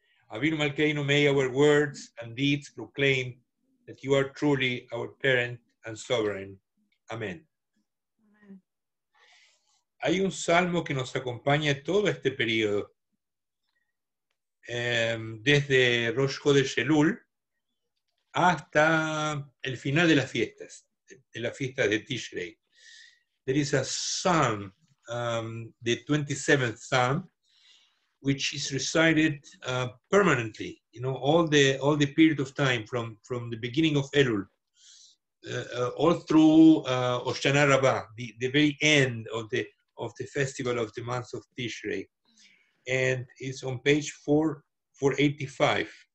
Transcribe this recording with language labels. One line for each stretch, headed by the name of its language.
English: Avinu Malkeinu, may our words and deeds proclaim that you are truly our parent and sovereign.
Spanish: Amén. Hay un salmo que nos acompaña todo este periodo, desde Rosh Chodesh Elul hasta el final de las fiestas, de las fiestas de Tishrei.
English: There is a psalm, the 27th psalm, which is recited permanently, you know, all the period of time from the beginning of Elul, all through Hoshana Rabba, the very end of the festival of the month of Tishrei, and it's on page 485.